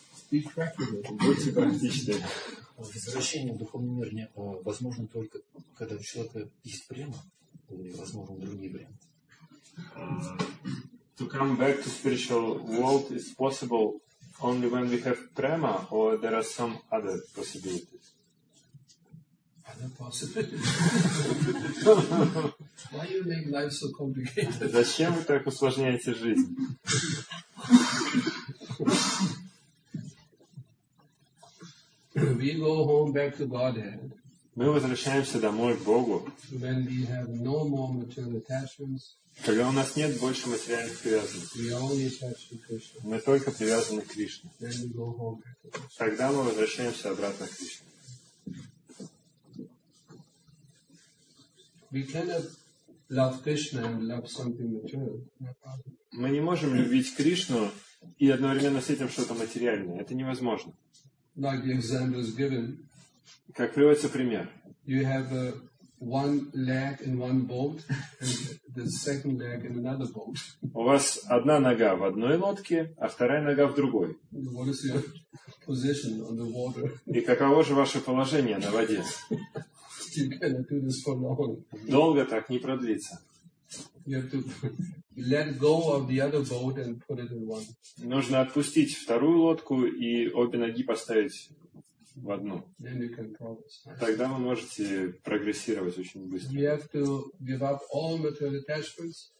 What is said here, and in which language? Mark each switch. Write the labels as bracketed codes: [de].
[en] Be practical. [ru] Будьте практичными. Возвращение в духовный мир возможно только, когда у человека есть према, или, возможно, другие варианты. [en] To come back to spiritual world is possible only when we have prema, or there are some other possibilities? Other possibilities? Why you make life so complicated? [ru] Зачем вы так усложняете жизнь? [en] We go home back to Godhead. [ru] Мы возвращаемся домой к Богу. [en] When we have no more material attachments. [ru] Когда у нас нет больше материальных привязанностей. [en] We only attach to Krishna. [ru] Мы только привязаны к Кришне. [en] Then we go home back to Krishna. [ru] Тогда мы возвращаемся обратно к Кришне. [en] We cannot love Krishna and love something material. [ru] Мы не можем любить Кришну и одновременно с этим что-то материальное. Это невозможно. [en] Like the example is given. [ru] Как приводится пример. [en] You have one leg in one boat and the second leg in another boat. [ru] У вас одна нога в одной лодке, а вторая нога в другой. [en] What is your position on the water? [ru] И каково же ваше положение на воде? [en] You cannot do this for long. [ru] Долго так не продлится. [en] You have to let go of the other boat and put it in one. [ru] Нужно отпустить вторую лодку и обе ноги поставить в одну. [en] Then you can progress. [ru] Тогда вы можете прогрессировать очень быстро. [en] You have to give up all material attachments.